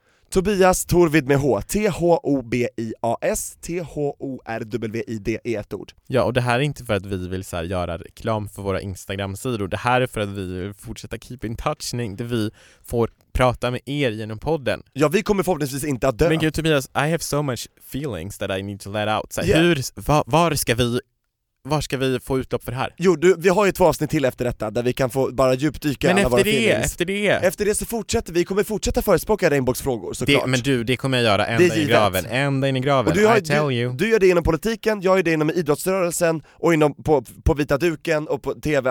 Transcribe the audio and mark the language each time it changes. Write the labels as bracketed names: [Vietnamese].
[Swedish] Tobias Torvid med H. T-H-O-B-I-A-S. T-H-O-R-W-I-D-E, ett ord. Ja, och det här är inte för att vi vill så här göra reklam för våra Instagram-sidor. Det här är för att vi vill fortsätta [English] keep in touch [Swedish] när vi får prata med er genom podden. Ja, vi kommer förhoppningsvis inte att dö. Men gud, Tobias, [English] I have so much feelings that I need to let out. [Swedish] Så här, yeah. Var ska vi få utlopp för det här? Jo, vi har ju två avsnitt till efter detta där vi kan få bara djupdyka men alla våra feelings. Men efter det? Efter det så fortsätter vi. Vi kommer fortsätta förespråka regnbågsfrågor såklart. Det, men du, det kommer jag göra ända i graven. Ända in i graven. Du, [English] I tell you. [Swedish] Du gör det inom politiken, jag gör det inom idrottsrörelsen och inom på vita duken och på tv.